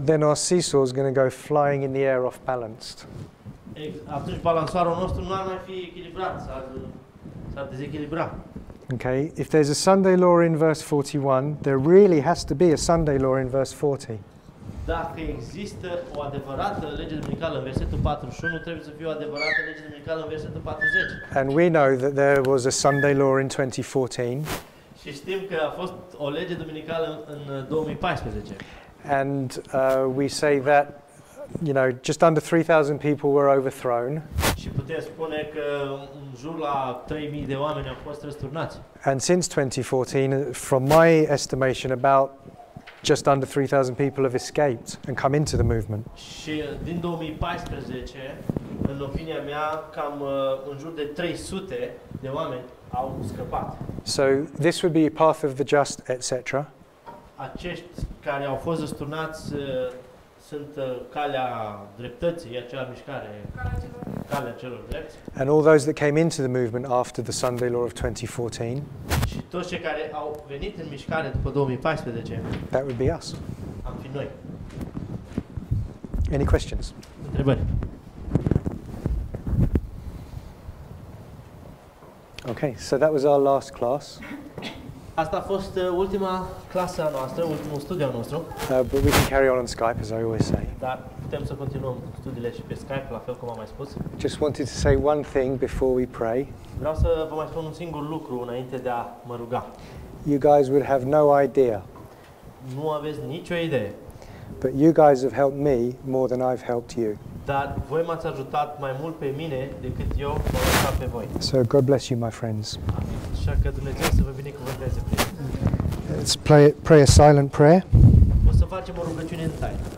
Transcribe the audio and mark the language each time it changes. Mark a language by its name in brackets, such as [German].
[English] then our seesaw is going to go flying in the air off balanced. [Romanian] Atunci balansoarul nostru nu ar mai fi echilibrat, s-ar dezechilibra. [English] Okay, if there's a Sunday law in verse 41, there really has to be a Sunday law in verse 40. [Romanian] Dacă există o adevărată lege duminicală în versetul 41, trebuie să fie o adevărată lege duminicală în versetul 40. [English] And we know that there was a Sunday law in 2014. [Romanian] Și știm că a fost o lege duminicală în 2014. [English] And we say that, you know, just under 3,000 people were overthrown. [Romanian] Și putem spune că în jur la 3,000 de oameni au fost răsturnați. [English] And since 2014, from my estimation, about just under 3,000 people have escaped and come into the movement. [Romanian] Și din 2014, în opinia mea, cam în jur de 300 de oameni au scăpat. [English] So this would be a path of the just, etc. [Romanian] Acești care au fost răsturnați sunt calea dreptății, acea mișcare, calea celor drepți. [English] And all those that came into the movement after the Sunday law of 2014. [Romanian] Și toți cei care au venit în mișcare după 2014. [English] That would be us. [Romanian] Am fi noi. [English] Any questions? [Romanian] Întrebări. [English] Okay, so that was our last class. [Romanian] Asta a fost ultima clasă noastră, ultimul studiu al nostru. [English] But we can carry on Skype, as I always say. [Romanian] Dar putem să continuăm studiile și pe Skype, la fel cum am mai spus. [English] Just wanted to say one thing before we pray. [Romanian] Vreau să vă mai spun un singur lucru înainte de a mă ruga. [English] You guys would have no idea. [Romanian] Nu aveți nicio idee. [English] But you guys have helped me more than I've helped you. [Romanian] Dar voi m-ați ajutat mai mult pe mine decât eu m-am ajutat pe voi. [English] So God bless you, my friends. [Romanian] Așa că Dumnezeu să vă binecuvânteze. [English] Let's pray a silent prayer. [Romanian] O să facem o rugăciune în tai.